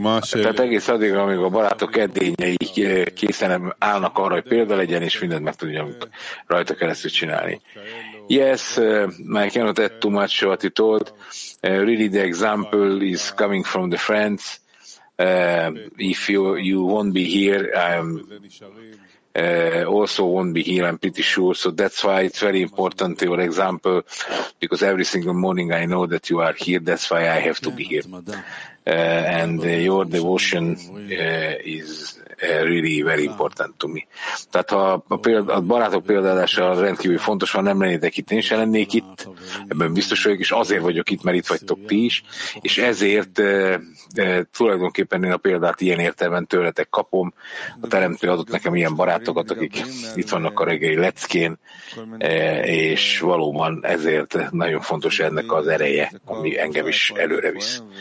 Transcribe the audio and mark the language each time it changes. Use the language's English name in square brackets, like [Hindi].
[Hungarian] Tehát egész addig, amíg a barátok edényei készen állnak arra, hogy példa legyen, és mindent meg tudjunk rajta keresztül csinálni. [English] Yes, I cannot add too much what you told. Really, the example is coming from the friends. If you won't be here, I'm also won't be here, I'm pretty sure. So that's why it's very important, your example, because every single morning I know that you are here, that's why I have to be here. Your devotion is really very important to me. [Hungarian] Tehát a barátok példaadása rendkívül fontos, ha nem lennétek itt, én sem lennék itt, ebben biztos vagyok, és azért vagyok itt, mert itt vagytok ti is, és ezért tulajdonképpen én a példát ilyen értelemben tőletek kapom. A Teremtő adott nekem ilyen barátokat, akik itt vannak a reggeli leckén, és valóban ezért nagyon fontos ennek az ereje, ami engem is előre visz.